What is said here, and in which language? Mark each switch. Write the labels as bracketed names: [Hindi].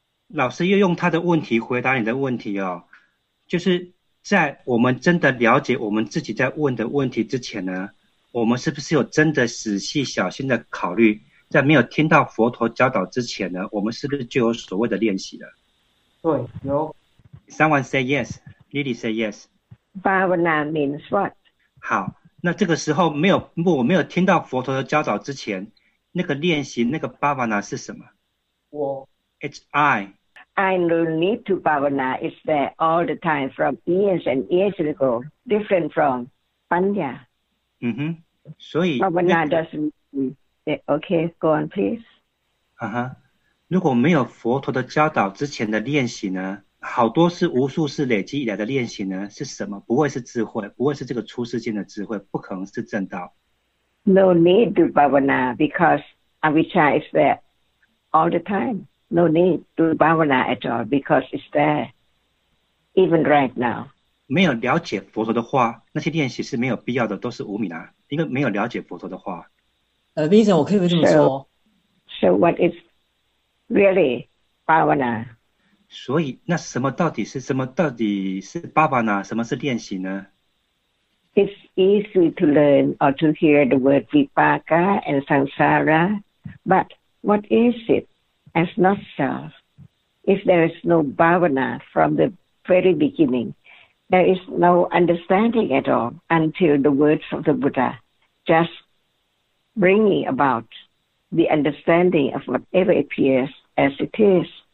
[Chinese] 老师又用他的问题回答你的问题哦，就是在我们真的了解我们自己在问的问题之前呢，我们是不是有真的仔细小心的考虑，在没有听到佛陀教导之前呢，我们是不是就有所谓的练习了？对，有。 [English] Someone say yes. Lily say yes. Bhavana means what? [Chinese] 好，那这个时候没有，如果我没有听到佛陀的教导之前，那个练习那个 Bhavana 是什么？我。 [English] I don't need to bhavana. It's there all the time from years and years ago. Different from panya. Mm-hmm. So bhavana doesn't. Okay, go on, please. Uh-huh. [Chinese] 如果没有佛陀的教导之前的练习呢，好多是无数次累积以来的练习呢，是什么？不会是智慧，不会是这个出世间的智慧，不可能是正道。 [English] No need to bhavana because avijja is there all the time. No need to bhavana at all because it's there, even right now. [Chinese] 没有了解佛陀的话，那些练习是没有必要的，都是无明啊。因为没有了解佛陀的话。 Vincent, 我可以这么说。 [English] So what is really bhavana? [Chinese] 所以那什么到底是什么？到底是 bhavana？ 什么是练习呢 [English] ？It's easy to learn or to hear the word vipaka and samsara, but what is it? As not self, if there is no bhavana from the very beginning, there is no understanding at all until the words of the Buddha just bringing about the understanding of whatever appears as it is.